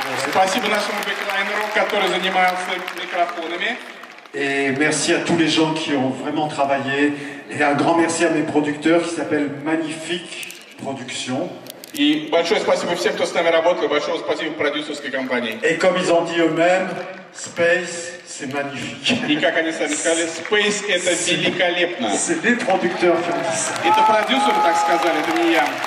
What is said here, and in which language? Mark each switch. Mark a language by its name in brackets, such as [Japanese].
[Russian] Спасибо нашему бэклайнеру, который занимался микрофонами. [French] Et merci à tous les gens qui ont vraiment travaillé. Et un grand merci à mes producteurs qui s'appellent Magnifique Production. [Russian] И большое спасибо всем, кто с нами работал, большое спасибо продюсерской компании. [French] Et comme ils ont dit eux-mêmes, Space, c'est magnifique. [Russian] И как они сами сказали, Space, это великолепно. [French] C'est des producteurs qui ont dit ça. [Russian] Это продюсеры так сказали, это не я.